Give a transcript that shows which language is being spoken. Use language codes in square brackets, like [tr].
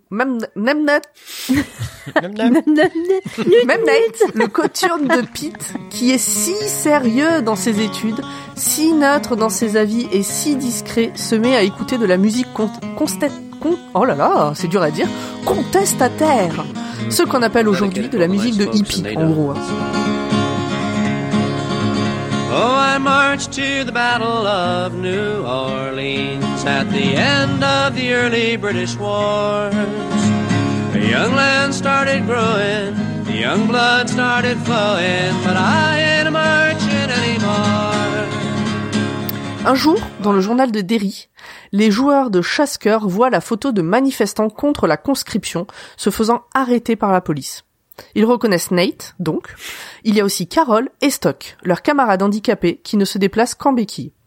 [fr] Même Nate... Même Nate, le coturne de Pete, qui est si sérieux dans ses études, si neutre dans ses avis et si discret, se met à écouter de la musique oh là là, c'est dur à dire, contestataire. Ce qu'on appelle aujourd'hui de la musique de hippie, en gros. Hein. [en] Oh, I marched to the Battle of New Orleans at the end of the early British wars. A young land started growing, the young blood started flowing, but I ain't a marching anymore. [fr] Un jour, dans le journal de Derry, les joueurs de chasse-cœur voient la photo de manifestants contre la conscription se faisant arrêter par la police. Ils reconnaissent Nate, donc. Il y a aussi Carole et Stock, leurs camarades handicapés qui ne se déplacent qu'en béquille.